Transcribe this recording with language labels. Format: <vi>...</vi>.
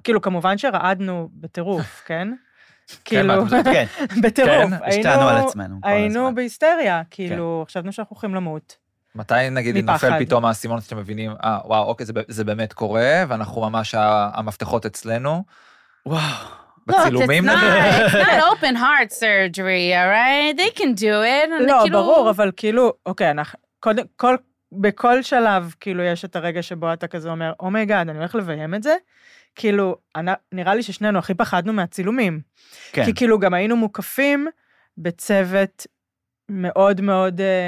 <he>כאילו, כמובן שרעדנו בטירוף, כן? כאילו, בטירוף, היינו בהיסטריה, כאילו, חשבנו שאנחנו הולכים למות. מתי נגיד נופל פתאום האסימון, אתם מבינים, וואו, אוקיי, זה באמת קורה, ואנחנו ממש, המפתחות אצלנו, וואו, בצילומים.</he> <en>It's not open heart surgery, right? They can do it.</en> <he>לא, ברור, אבל כאילו, אוקיי, בכל שלב, כאילו, יש את הרגע שבו אתה כזה אומר, אומייגאד, אני הולך לביים את זה, כאילו, נראה לי ששנינו הכי פחדנו מהצילומים. כן. כי כאילו גם היינו מוקפים בצוות מאוד מאוד...</he>